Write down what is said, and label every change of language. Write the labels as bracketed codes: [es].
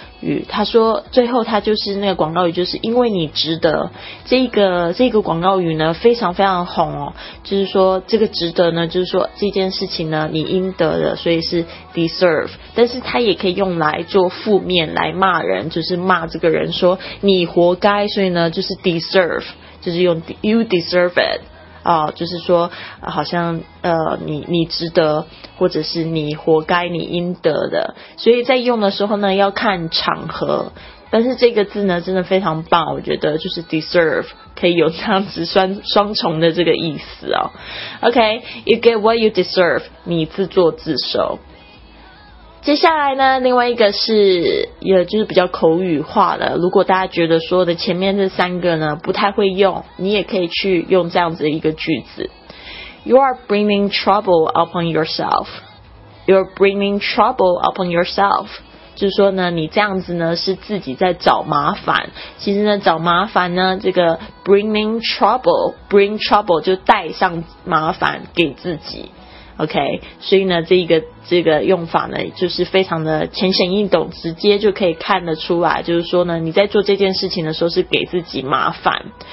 [zh] 语，他说最后他就是那个广告语就是因为你值得，这个广告语呢非常非常红哦，就是说这个值得呢就是说这件事情呢你应得的，所以是 deserve, 但是他也可以用来做负面来骂人，就是骂这个人说你活该，所以呢就是 deserve, 就是用 [en] you deserve it, [zh] 就是说好像你值得，或者是你活该你应得的。所以在用的时候呢要看场合，但是这个字呢真的非常棒，我觉得就是 deserve 可以有这样子双重的这个意思哦。 [en] OK, You get what you deserve, [zh] 你自作自受。接下来呢，另外一个是也就是比较口语化的，如果大家觉得说的前面这三个呢不太会用，你也可以去用这样子一个句子。 [en] You are bringing trouble upon yourself. You're bringing trouble upon yourself. [zh] 就是说呢，你这样子呢是自己在找麻烦。其实呢，找麻烦呢，这个 [en] bringing trouble, bring trouble [zh] 就带上麻烦给自己。 OK, 所以呢这个用法呢就是非常的浅显易懂，直接就可以看得出来，就是说呢你在做这件事情的时候是给自己麻烦。